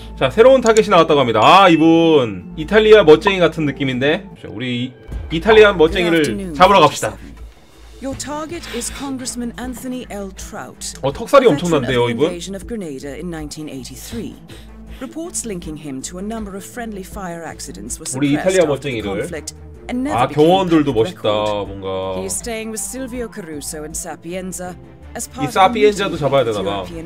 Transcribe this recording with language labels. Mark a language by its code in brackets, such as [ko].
[ko] 자, 새로운 타겟이 나왔다고 합니다. 아, 이분 이탈리아 멋쟁이 같은 느낌인데. 자, 우리 이탈리안 멋쟁이를 잡으러 갑시다. [en] Your target is Congressman Anthony L. Trout. [ko] 어, 턱살이 엄청난데요, 이분. [en] Invasion of Grenada in 1983. Reports linking him to a number of friendly fire accidents were suppressed. [ko] 우리 이탈리아 멋쟁이를. 아, 경원들도 멋있다. 뭔가. [en] He is staying with Silvio Caruso and Sapienza. [ko] 이 사피엔자도 잡아야 되나 봐.